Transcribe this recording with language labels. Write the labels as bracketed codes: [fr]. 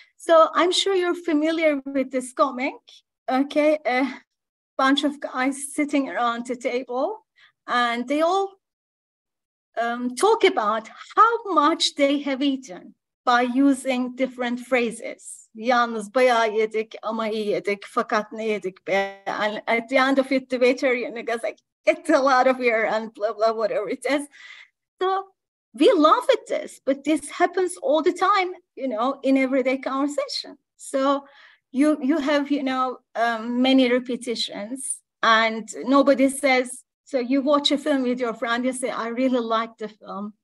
[en] So I'm sure you're familiar with this comic, okay? A bunch of guys sitting around the table and they all talk about how much they have eaten by using different phrases. [tr] Yalnız bayağı yedik, ama iyi yedik, fakat ne yedik be? [en] And at the end of it, the waiter, you know, goes like, get the hell out of here and blah, blah, whatever it is. So we laugh at this, but this happens all the time, you know, in everyday conversation. So you have, you know, many repetitions, and nobody says, so you watch a film with your friend, you say, I really liked the film.